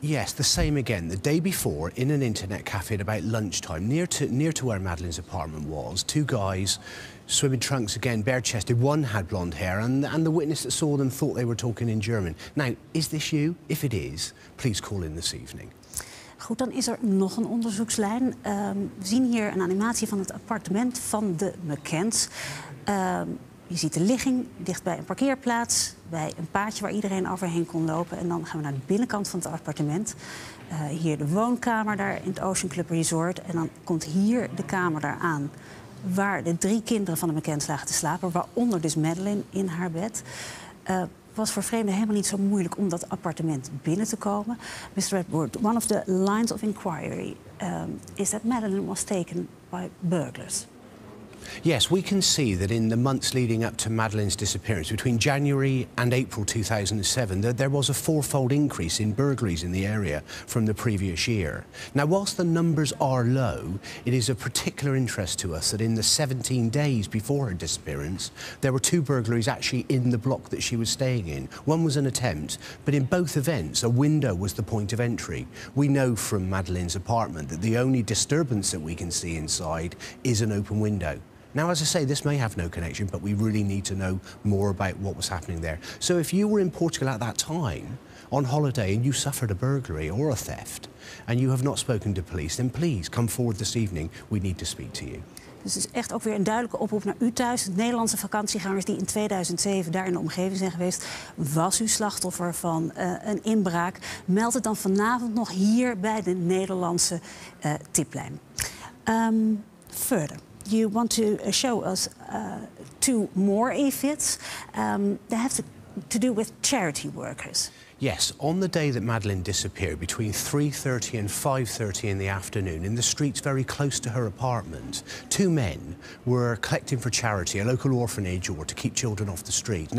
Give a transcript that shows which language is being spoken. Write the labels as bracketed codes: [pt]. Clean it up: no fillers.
[en] Yes, the same again. The day before, in an internet cafe at about lunchtime, near to where Madeleine's apartment was, two guys, swimming trunks again, bare-chested, one had blonde hair, and the witness that saw them thought they were talking in German. Now, is this you? If it is, please call in this evening. [nl] Goed, dan is er nog een onderzoekslijn. We zien hier een animatie van het appartement van de McKents. Je ziet de ligging dicht bij een parkeerplaats, bij een paadje waar iedereen overheen kon lopen. En dan gaan we naar de binnenkant van het appartement. Hier de woonkamer daar in het Ocean Club Resort. En dan komt hier de kamer daar aan waar de drie kinderen van de McKents lagen te slapen. Waaronder dus Madeleine in haar bed. Was voor vreemden helemaal niet zo moeilijk om dat appartement binnen te komen. [en] Mr. Redwood, one of the lines of inquiry is that Madeleine was taken by burglars. Yes, we can see that in the months leading up to Madeleine's disappearance, between January and April 2007, that there was a fourfold increase in burglaries in the area from the previous year. Now, whilst the numbers are low, it is of particular interest to us that in the 17 days before her disappearance, there were two burglaries actually in the block that she was staying in. One was an attempt, but in both events, a window was the point of entry. We know from Madeleine's apartment that the only disturbance that we can see inside is an open window. Now, as I say, this may have no connection, but we really need to know more about what was happening there. So if you were in Portugal at that time, on holiday, and you suffered a burglary or a theft, and you have not spoken to police, then please come forward this evening. We need to speak to you. [nl] Dus het is echt ook weer een duidelijke oproep naar u thuis. Nederlandse vakantiegangers die in 2007 daar in de omgeving zijn geweest. Was u slachtoffer van een inbraak? Meld het dan vanavond nog hier bij de Nederlandse tiplijn. Verder. [en] You want to show us two more ifrits. They have to do with charity workers. Yes, on the day that Madeleine disappeared, between 3:30 and 5:30 in the afternoon, in the streets very close to her apartment, two men were collecting for charity, a local orphanage, or to keep children off the street.